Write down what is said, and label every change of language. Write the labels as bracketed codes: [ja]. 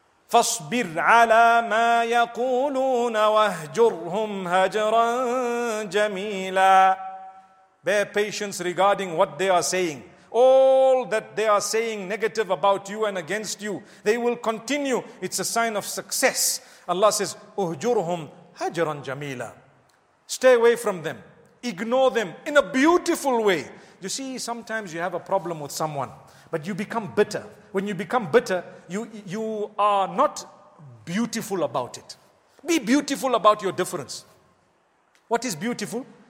[ar] فَاصْبِرْ عَلَى مَا يَقُولُونَ وَهْجُرْهُمْ هَجْرًا جَمِيلًا. [en] Bear patience regarding what they are saying. All that they are saying negative about you and against you, they will continue. It's a sign of success. Allah says, [ar] أُهْجُرْهُمْ هَجْرًا جَمِيلًا. [en] Stay away from them. Ignore them in a beautiful way. You see, sometimes you have a problem with someone, but you become bitter. When you become bitter, you are not beautiful about it. Be beautiful about your difference. What is beautiful?